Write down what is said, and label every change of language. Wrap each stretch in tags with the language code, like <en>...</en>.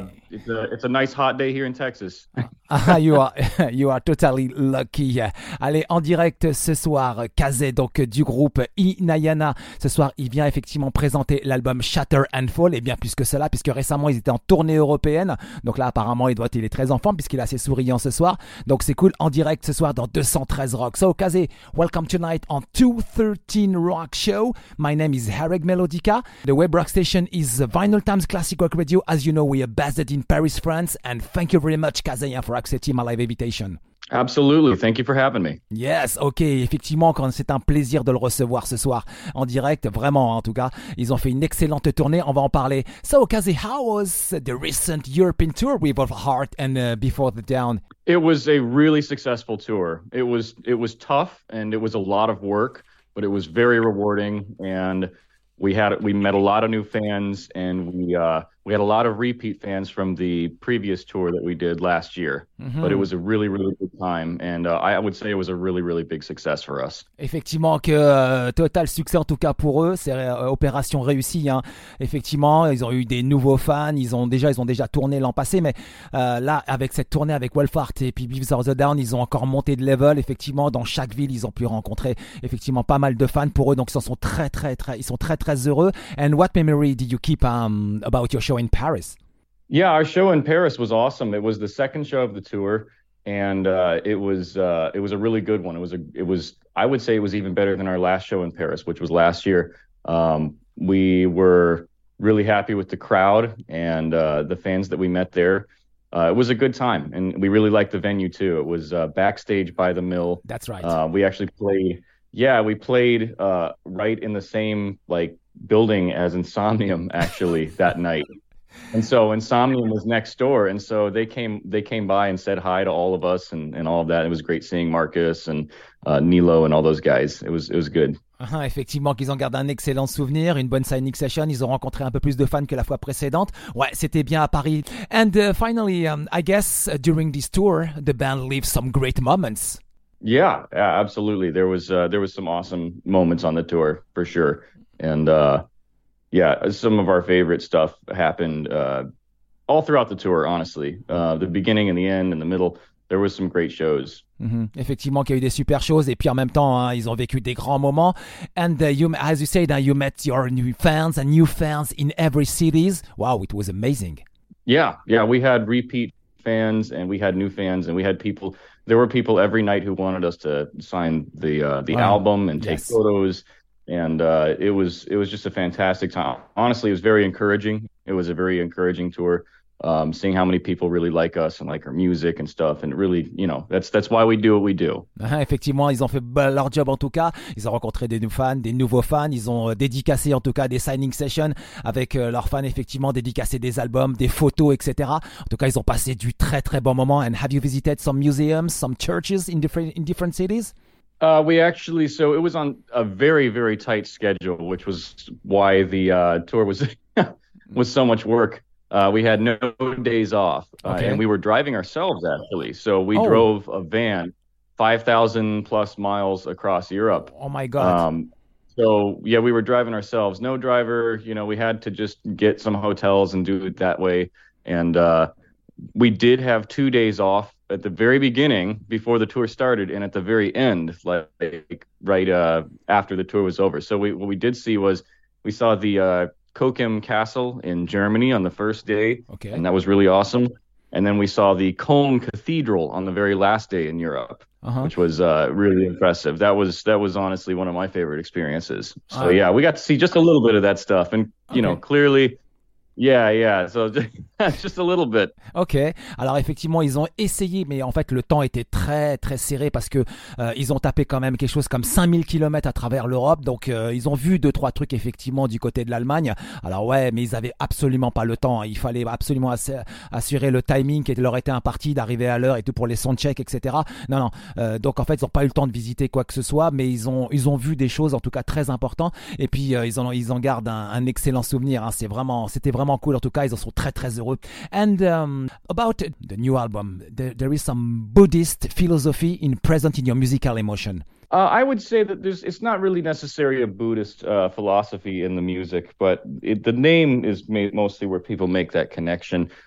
<en>It's a nice hot day here in Texas. you are totally lucky.</en> <fr>Allez, en direct ce soir, Kazé, donc du groupe Inayana. Ce soir, il vient effectivement présenter l'album Shatter and Fall. Et bien plus que cela, puisque récemment, ils étaient en tournée européenne. Donc là, apparemment, il est très en forme, puisqu'il est assez souriant ce soir. Donc c'est cool, en direct ce soir dans 213 Rock.</fr> <en>So, Kazé, welcome tonight on 213 Rock Show. My name is Herreg Melodica. The web rock station is Vinyl Times Classic Rock Radio. As you know, we are based in Paris, France. And thank you very much, Kazé, for accepting my live invitation. Absolutely. Thank you for having me. Yes. OK.</en> <fr>Effectivement, c'est un plaisir de le recevoir ce soir en direct. Vraiment, en tout cas. Ils ont fait une excellente tournée. On va en parler.</fr> <en>So, Kazé, how was the recent European tour with Of Heart and Before the Dawn? It was a really successful tour. It was tough and it was a lot of work, but it was very rewarding. And we met a lot of new fans and we had a lot of repeat fans from the previous tour that we did last year. Mm-hmm. But it was a really, really good time. And I would say it was a really, really big success for us.</en> <fr>Effectivement, que total succès en tout cas pour eux. C'est opération réussie. Hein. Effectivement, ils ont eu des nouveaux fans. Ils ont déjà tourné l'an passé. Mais là, avec cette tournée avec Wolfhart et puis Before the Dawn, ils ont encore monté de level. Effectivement, dans chaque ville, ils ont pu rencontrer effectivement pas mal de fans pour eux. Donc, ils sont très, très heureux.</fr> <en>And what memory did you keep about your show in Paris? Yeah, our show in Paris was awesome. It was the second show of the tour, and it was a really good one. I would say it was even better than our last show in Paris, which was last year. We were really happy with the crowd and the fans that we met there. It was a good time, and we really liked the venue too. It was backstage by the Mill. That's right. We played right in the same like building as Insomnium actually that night. And so Insomnium was next door. And so they came by and said hi to all of us and all of that. It was great seeing Marcus and Nilo and all those guys. It was good.</en> <fr>Effectivement qu'ils ont gardé un excellent souvenir, une bonne signing session, ils ont rencontré un peu plus de fans que la fois précédente. Ouais, c'était bien à Paris.</fr> <en>And finally, I guess during this tour, the band leaves some great moments. Yeah, absolutely. There was some awesome moments on the tour for sure. And yeah, some of our favorite stuff happened all throughout the tour, honestly. The beginning and the end and the middle, there was some great shows. Mm-hmm.</en> <fr>Effectivement, qu'il y a eu des super choses. Et puis en même temps, hein, ils ont vécu des grands moments.</fr> <en>And you met your new fans and new fans in every cities. Wow, it was amazing. Yeah, we had repeat fans and we had new fans and we had people. There were people every night who wanted us to sign the album and take photos. And it was just a fantastic time. Honestly, it was very encouraging. It was a very encouraging tour. Seeing how many people really like us and like our music and stuff, and really, you know, that's why we do what we do.</en> <fr>Effectivement, ils ont fait leur job en tout cas. Ils ont rencontré des nouveaux fans. Ils ont dédicacé en tout cas des signing sessions avec leurs fans. Effectivement, dédicacé des albums, des photos, etc. En tout cas, ils ont passé du très très bon moment.</fr> <en>And have you visited some museums, some churches in different cities? We it was on a very, very tight schedule, which was why the tour was was so much work. We had no days off. Okay. And we were driving ourselves, actually. So we drove a van 5,000 plus miles across Europe. Oh, my God. So, yeah, we were driving ourselves. No driver. You know, we had to just get some hotels and do it that way. And we did have 2 days off at the very beginning before the tour started and at the very end, like right after the tour was over. So what we did see was we saw the Cochem Castle in Germany on the first day. Okay. And that was really awesome. And then we saw the Cologne Cathedral on the very last day in Europe, which was really impressive. That was honestly one of my favorite experiences. So yeah, we got to see just a little bit of that stuff. And, you know, clearly So just a little bit. Ok.</en> <fr>Alors effectivement, ils ont essayé, mais en fait, le temps était très très serré parce que ils ont tapé quand même quelque chose comme 5000 kilomètres à travers l'Europe. Donc ils ont vu deux trois trucs effectivement du côté de l'Allemagne. Alors ouais, mais ils avaient absolument pas le temps. Il fallait absolument assurer le timing qui leur était imparti d'arriver à l'heure et tout pour les soundcheck, etc. Non non. Donc en fait, ils ont pas eu le temps de visiter quoi que ce soit, mais ils ont vu des choses en tout cas très importantes. Et puis ils en gardent un excellent souvenir. Hein. C'était vraiment cool. En tout cas, ils en sont très très heureux.</fr> <en>And about the new album, there is some Buddhist philosophy present in your musical emotion. I would say that it's not really necessarily a Buddhist philosophy in the music, but the name is mostly where people make that connection.</en>